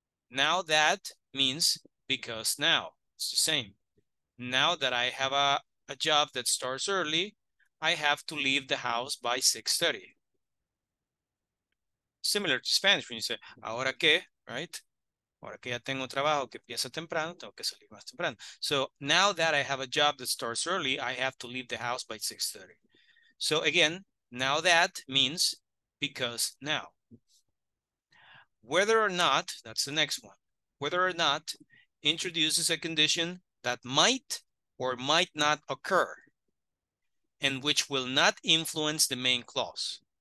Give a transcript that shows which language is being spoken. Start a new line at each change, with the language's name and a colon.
English: Now that means because now. It's the same. Now that I have a job that starts early, I have to leave the house by 6:30. Similar to Spanish when you say,
Spanish: ahora que,
English: right?
Spanish: Ahora que ya tengo trabajo que empieza temprano, tengo que salir más temprano.
English: So now that I have a job that starts early, I have to leave the house by 6:30. So again, now that means because now. Whether or not, that's the next one, whether or not introduces a condition that might or might not occur and which will not influence the main clause.